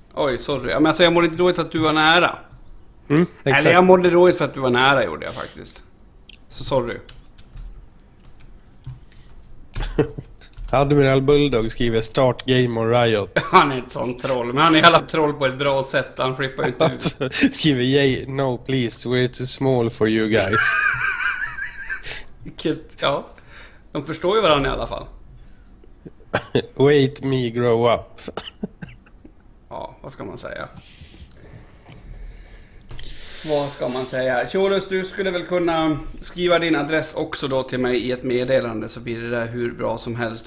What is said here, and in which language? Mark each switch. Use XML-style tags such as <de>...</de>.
<sv>Oj, sorry, men alltså jag mådde inte dåligt för att du var nära. Mm, exakt. Eller jag mådde dåligt för att du var nära, gjorde jag faktiskt. Så sorry. Admiral Bulldog skriver</sv> <en>start game on Riot.</en> <sv>Han är ett sånt troll, men han är alla troll på ett bra sätt. Han flippar ju inte ut.</sv> <en>Skriver yay, no please, we're too small for you guys.</en> <sv>Vilket, ja. De förstår ju varandra i alla fall.</sv> <en>Wait me grow up.</en> <sv>Ja, vad ska man säga? Vad ska man säga? Chorus, du skulle väl kunna skriva din adress också då till mig i ett meddelande, så blir det där hur bra som helst.</sv>